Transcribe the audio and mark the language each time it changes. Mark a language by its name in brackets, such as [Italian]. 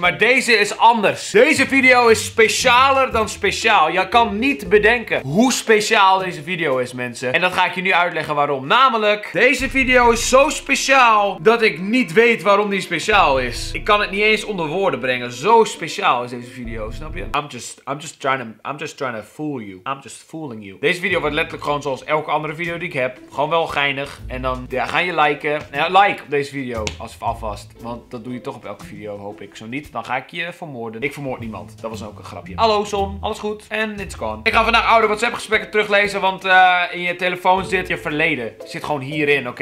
[Dutch] Maar deze is anders. Deze video is specialer dan speciaal. Je kan niet bedenken hoe speciaal deze video is, mensen. En dat ga ik je nu uitleggen waarom. Namelijk, deze video is zo speciaal dat ik niet weet waarom die speciaal is. Ik kan het niet eens onder woorden brengen. Zo speciaal is deze video, snap je? [English] I'm just trying to fool you. I'm just fooling you. [Dutch] Deze video wordt letterlijk gewoon zoals elke andere video die ik heb. Gewoon wel geinig. En dan ja, ga je liken. Ja, like op deze video als het afvast. Want dat doe je toch op elke video, hoop ik. Zo niet, dan ga ik je vermoorden. Ik vermoord niemand. Dat was ook een grapje. Hallo Son, alles goed? En [English] it's gone. [Dutch] Ik ga vandaag oude WhatsApp gesprekken teruglezen. Want in je telefoon zit je verleden. Zit gewoon hierin, oké?